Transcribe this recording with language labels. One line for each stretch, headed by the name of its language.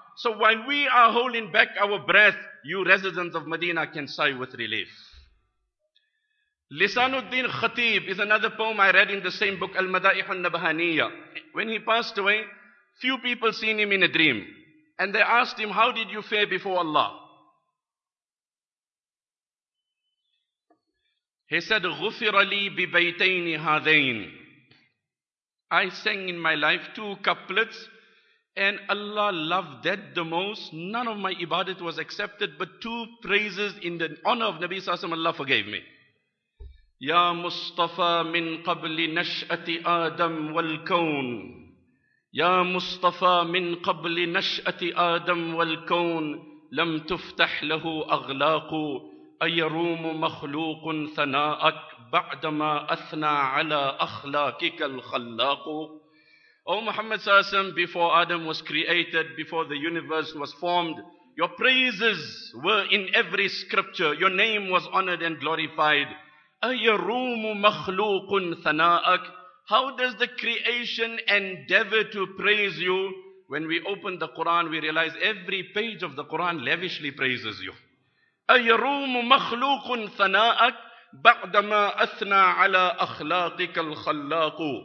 English: So while we are holding back our breath, you residents of Medina can sigh with relief. Lisanuddin Khatib is another poem I read in the same book, Al-Madaih al-Nabahaniya. When he passed away, few people seen him in a dream. And they asked him, how did you fare before Allah? He said,
Arabic: غُفِرَ لِي بِبَيْتَيْنِ هَذَيْنِ.
English: I sang in my life two couplets, and Allah loved that the most. None of my ibadat was accepted, but two praises in the honor of Nabi Sallallahu Alaihi Wasallam, Allah forgave me.
Arabic: يا مصطفى من قبل نشأة آدم والكون. يا مصطفى من قبل نشأة آدم والكون. لم تفتح له أغلاق أيروم مخلوق ثناءك بعدما أثنى على أخلاقك الخلاق.
English: O Muhammad
Arabic: صلى الله عليه وسلم,
English: before Adam was created, before the universe was formed, your praises were in every scripture. Your name was honored and glorified.
Arabic: أَيَرُومُ مَخْلُوقٌ ثَنَاءَكْ.
English: How does the creation endeavor to praise you? When we open the Quran, we realize every page of the Quran lavishly praises you.
Arabic: أَيَرُومُ مَخْلُوقٌ ثَنَاءَكْ. بعدما أثنى على أخلاقك الخلاق.